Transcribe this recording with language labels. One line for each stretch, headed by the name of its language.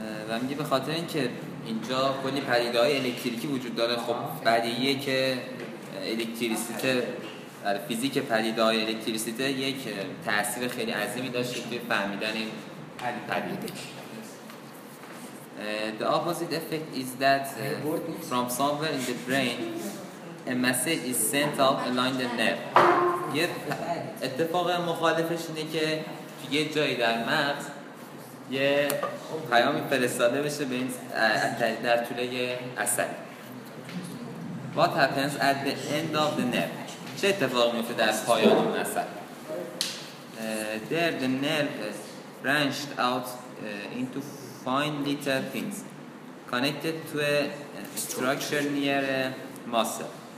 Persian: و میگه به خاطر اینکه اینجا کلی پدیده های الکتریکی وجود داره، خب بدیهیه که الکتریسیته در فیزیک پدیده های الکتریسیته یک تأثیر خیلی عظیمی داشت توی فهمیدن این پدیده.
English: The opposite effect is that from somewhere in the brain a message is sent out along the nerve.
Persian: یه اتفاق مخالفش اینه که توی یه جایی در مغز یه پیامی فرستاده بشه به این در طول عصب.
English: What happens at the end of the nerve؟
Persian: چه اتفاق میفته در پایان اون عصب؟
English: There the nerve is branched out into fine little things connected to a structure near a muscle.